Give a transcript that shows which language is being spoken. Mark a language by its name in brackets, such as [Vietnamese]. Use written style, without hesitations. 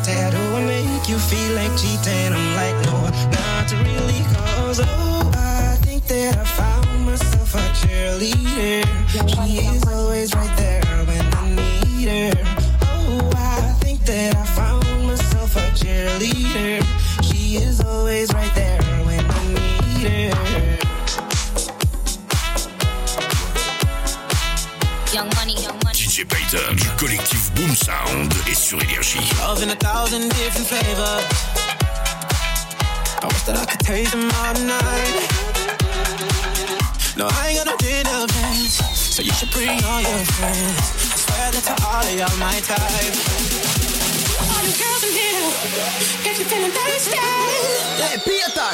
[English] Do I make you feel like cheating? I'm like, no, not really, cause oh, I think that I found myself a cheerleader. She is always right there when I need her. That I found myself a cheerleader. She is always right there when I need her. Young Money, Young Money. [French] DJ Payton du collectif Boom Sound est sur Énergie. [English] Love in a thousand different flavors. I wish that I could taste them all tonight. No, I ain't got no dinner plans, so you should bring all your friends. I swear that to all of y'all my type. Girls in here, get you feeling thirsty. Let it be a thought.